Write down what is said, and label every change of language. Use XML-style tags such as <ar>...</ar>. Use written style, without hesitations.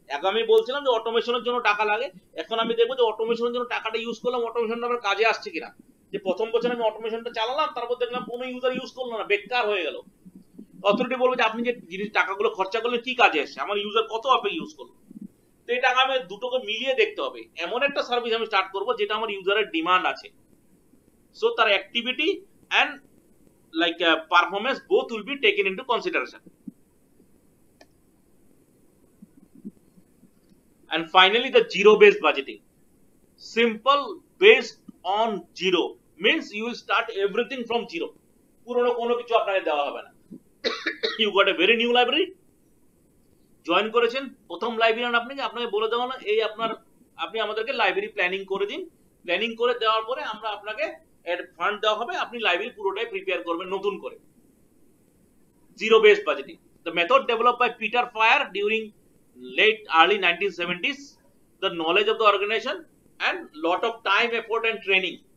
<bn>আমি বলছিলাম যে অটোমেশনের জন্য টাকা লাগে, এখন আমি দেখবো যে অটোমেশনের জন্য টাকাটা ইউজ করলাম অটোমেশনটা আমার কাজে আসছে কিনা, যে প্রথম বছর আমি অটোমেশনটা চালালাম তারপর দেখলাম কোনো ইউজার ইউজ করলো না, বেকার হয়ে গেল, অথরিটি বলবে যে আপনি যে জিনিস টাকাগুলো খরচা করলেন কি কাজে আসছে, আমার ইউজার কত অ্যাপে ইউজ করলো। তো এই টাকা আমি দুটোকে মিলিয়ে দেখতে হবে, এমন একটা সার্ভিস আমি স্টার্ট করবো যেটা আমার ইউজারের ডিমান্ড আছে।</bn> <en>So their activity and like performance both will be taken into consideration. And finally, the zero-based budgeting. Simple based on zero means you will start everything from zero.</en> <bn>পুরনো কোনো কিছু আপনাকে দেওয়া হবে না.</bn> <en>You got a very new library.</en> <bn>Join করেছেন প্রথম librarian আপনি, যে আপনাকে বলে দেওয়া না এই আপনার, আপনি আমাদেরকে লাইব্রেরি প্ল্যানিং করে দিন. প্ল্যানিং করে দেওয়ার পরে আমরা আপনাকে এড ফান্ড দেওয়া হবে, আপনি লাইব্রেরি পুরোটাই প্রিপেয়ার করবেন নতুন করে.</bn> <en>Zero based budgeting, the method develop by Peter Pyhrr during late early 1970s, the knowledge of the organization and lot of time effort and training.</en>